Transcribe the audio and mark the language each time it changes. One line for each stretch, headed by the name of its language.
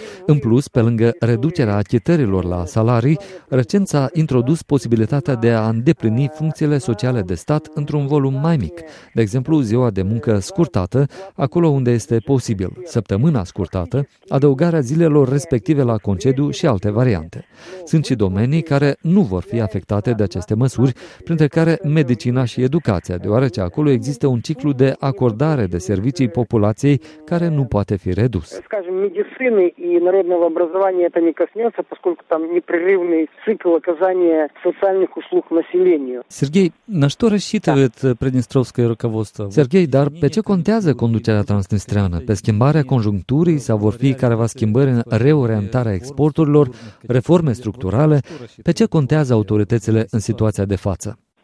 Romanian: În plus, pe lângă reducerea achitărilor la salarii, recent s-a introdus posibilitatea de a îndeplini funcțiile sociale de stat într-un volum mai mic, de exemplu ziua de muncă scurtată, acolo unde este posibil, săptămâna scurtată, adăugarea zilelor respective la concediu și alte variante. Sunt și domenii care nu vor fi afectate de aceste măsuri, printre care medicina și educația, deoarece acolo există un ciclu de acordare de servicii populației care nu poate fi redus. Medicină și
Russian: народного образования это не коснется, поскольку там непрерывный цикл оказания социальных услуг населению. Сергей, на что рассчитывает приднестровское руководство?
Romanian: Сергей, dar pe ce contează conducerea transnistreană? Pe schimbarea conjuncturii sau vor fi careva schimbări în reorientarea exporturilor, reforme structurale? Pe ce contează autoritățile în situația de față?